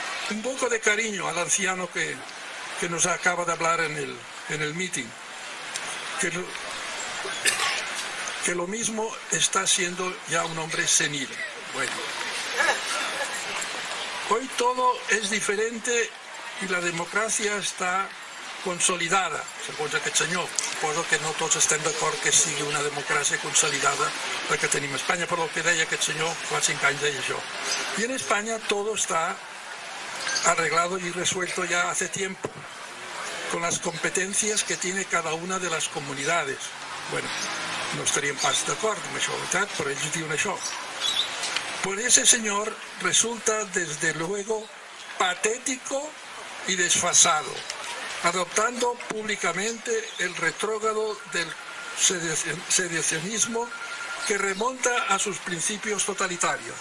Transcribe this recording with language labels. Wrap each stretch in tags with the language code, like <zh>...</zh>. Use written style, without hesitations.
<es>Un poco de cariño al anciano que nos acaba de hablar en el meeting. Que lo mismo está siendo ya un hombre senil. Bueno. Hoy todo es diferente y la democracia está...</es> <ca>consolidada, segons aquest senyor. Suposo que no tots estem d'acord que sigui una democràcia consolidada la que tenim a Espanya, però el que deia aquest senyor fa 5 anys deia això. I en Espanya tot està</ca> <es>arreglado i resuelto ja hace tiempo con las competencias que tiene cada una de las comunidades.</es> <ca>Bueno, no estaríem pas d'acord amb això, ¿verdad? Però ells diuen això.</ca> <es>Por ese señor resulta desde luego patético y desfasado, adoptando públicamente el retrógrado del sedicionismo que remonta a sus principios totalitarios.</es>